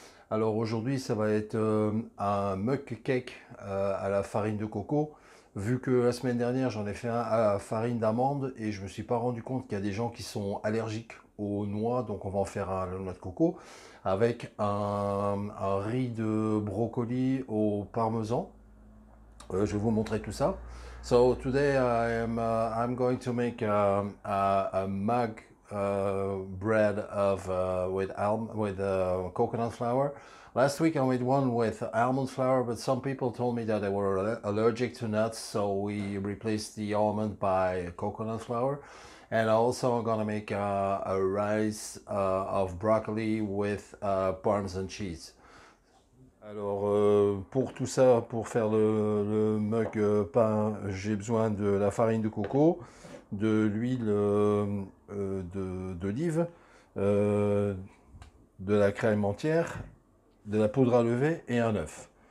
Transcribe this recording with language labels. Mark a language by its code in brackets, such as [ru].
[fr] Alors aujourd'hui, ça va être un mug cake à la farine de coco. Vu que la semaine dernière, j'en ai fait un à la farine d'amande et je ne me suis pas rendu compte qu'il y a des gens qui sont allergiques aux noix. Donc on va en faire un à la noix de coco avec un riz de brocoli au parmesan. Je vais vous montrer tout ça. [en] So today I'm going to make a mug bread of with almond with coconut flour. Last week I made one with almond flour, but some people told me that they were allergic to nuts, so we replaced the almond by coconut flour. And also I'm gonna make a rice of broccoli with parmesan cheese. [fr] Alors, pour tout ça, pour faire le mug pain, j'ai besoin de la farine de coco, de l'huile d'olive, de la crème entière, de la poudre à lever et un œuf.